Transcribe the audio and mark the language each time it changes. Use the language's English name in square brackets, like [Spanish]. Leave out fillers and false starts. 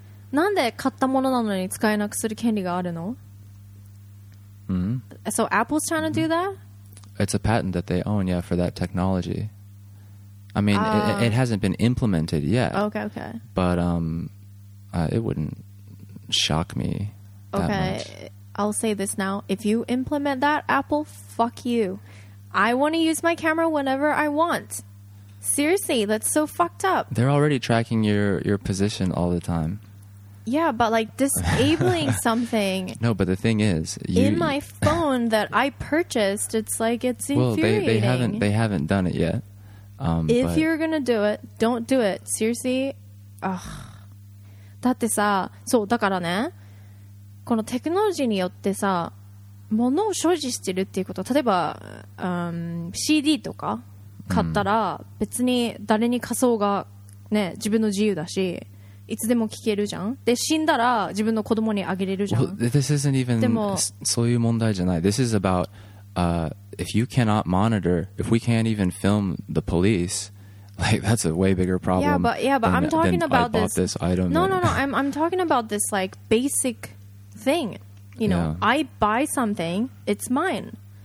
[Japanese] なんで買ったものなのに使えなくする権利があるの? [English] So Apple's trying to do that? It's a patent that they own, yeah, for that technology. I mean, it hasn't been implemented yet. Okay, okay. But it wouldn't shock me that much. Okay, I'll say this now. If you implement that, Apple, fuck you. I want to use my camera whenever I want. Seriously, that's so fucked up. They're already tracking your position all the time. Yeah, but like disabling something. No, but the thing is, in my phone that I purchased, it's like it's infuriating. Well, they haven't done it yet. If you're gonna do it, don't do it. Seriously, ugh. [Japanese] だってさ、そうだからね。このテクノロジーによってさ、物を所持してるっていうこと、例えば、CD とか買ったら別に誰に貸そうがね、自分の自由だし。いつでも聞けるじゃん。で死んだら自分の子供にあげれるじゃん。 [English] Well, this isn't even [Japanese] そういう問題じゃない。 [English] This is about if you cannot monitor, if we can't even film the police, like that's a way bigger problem. Yeah, but I'm talking about this item. No. I'm talking about this like basic thing. You know, I buy something, it's mine.